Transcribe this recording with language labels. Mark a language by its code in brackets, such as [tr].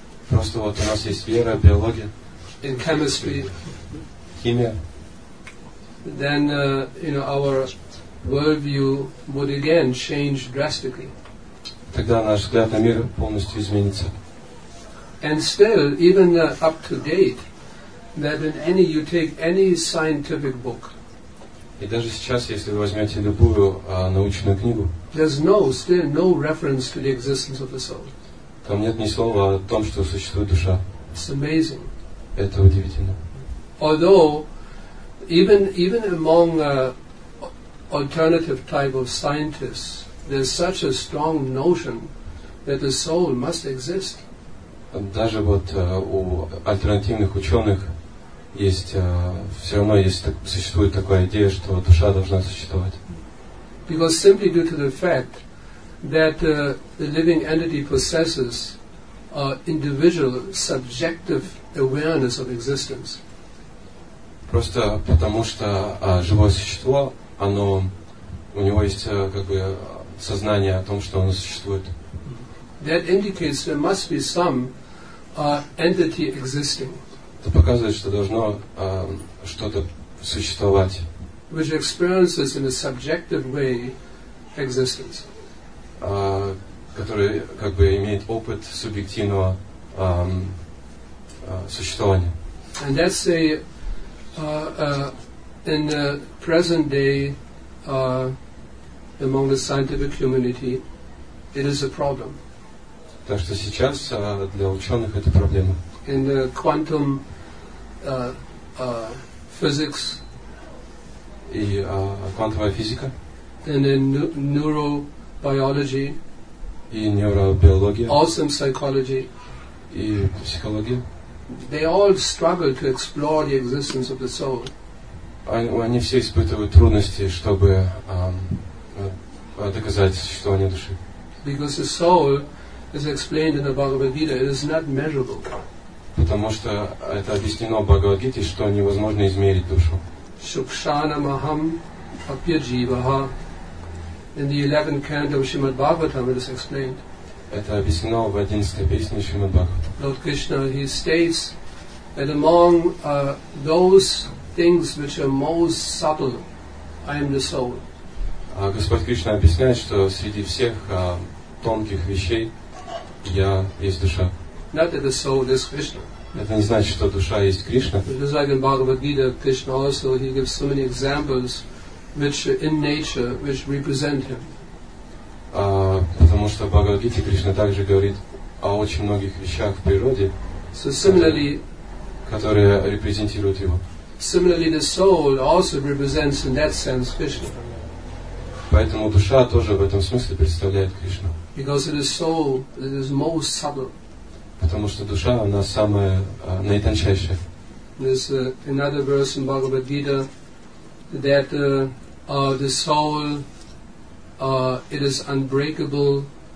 [ru] Просто вот у нас есть вера, биология. [en] In chemistry. [ru] Химия. [en] Then, our worldview would again change drastically. [ru] Тогда наш взгляд на мир полностью изменится. [en] And still, even up to date, that in any, you take any scientific book, [ru] и даже сейчас, если вы возьмете любую научную книгу, [en] there's still no reference to the existence of the soul. [ru] Там нет ни слова о том, что существует душа. [en] It's amazing. [ru] Это удивительно. [en] Although, even among alternative type of scientists, there's such a strong notion that the soul must exist. [ru] Даже вот у альтернативных ученых существует такая идея, что душа должна существовать. [en] Because simply due to the fact that the living entity possesses individual subjective awareness of existence. [ru] Просто потому что живое существо, оно у него есть как бы сознание о том, что оно существует. [en] That indicates there must be some entity existing. [ru] Это показывает, что должно что-то существовать. [en] Which experiences in a subjective way existence. [ru] Который как бы имеет опыт субъективного существования. [en] And that's a in the present day among the scientific community, it is a problem. [ru] Так что сейчас для ученых это проблема. [en] In the quantum physics. [ru] И квантовая физика. [en] And in neurobiology. [ru] И нейробиология. [en] Awesome psychology. [ru] И психология. [en] They all struggle to explore the existence of the soul. [ru] Они все испытывают трудности, чтобы доказать существование души. [en] Because the soul, as explained in the Bhagavad Gita, is not measurable. [ru] Потому что это объяснено в Бхагавад Гите, что невозможно измерить душу. [sa] Shukshana maham apya jivaha. [en] In the 11th canto of Srimad Bhagavatam, it is explained. [ru] Это объяснено в 11-й песне Шримад Бхагаватам. [en] Lord Krishna, he states that among those things which are most subtle, I am the soul. [ru] Господь Кришна объясняет, что среди всех тонких вещей я есть душа. [en] Not that the soul is Krishna. [ru] Это не значит, что душа есть Кришна. [en] Just like in Bhagavad Gita, Krishna also he gives so many examples which in nature which represent him. [ru] Потому что в Бхагавад Гите Кришна также говорит о очень многих вещах в природе, [en] so similarly, [ru] которые репрезентируют его. [en] Similarly, the soul also represents in that sense Krishna. [ru] Поэтому душа тоже в этом смысле представляет Кришну. [en] Because it is soul that is most subtle. [ru] Потому что душа, она самая наитончайшая. [en] There's another verse in Bhagavad Gita that the soul it is unbreakable.